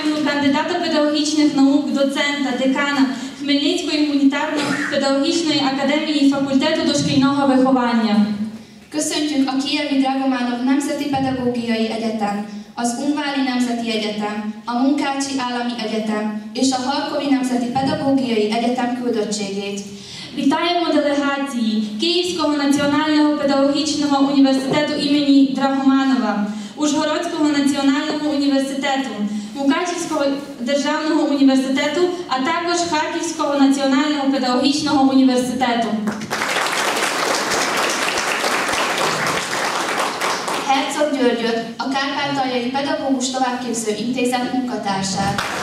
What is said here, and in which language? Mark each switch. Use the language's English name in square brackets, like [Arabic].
[Ukrainian] Кандидата педагогічних наук, доцента, декана Хмельницької гуманітарно-педагогічної академії факультету дошкільного виховання. [Hungarian] Köszöntjük a Kievi Dragomanov Nemzeti Pedagógiai Egyetem, az Unváli Nemzeti Egyetem, a Munkácsi Állami Egyetem és a Harkovi Nemzeti Pedagógiai Egyetem küldöttségét. [Ukrainian] Вітаємо делегації Київського національного педагогічного університету імені Драгоманова, Ужгородського національного університету, Мукачівського державного університету, а також Харківського національного педагогічного університету. [Hungarian] Herzog Györgyöt, a Kárpátaljai Pedagógus Továbbképző Intézet munkatársát.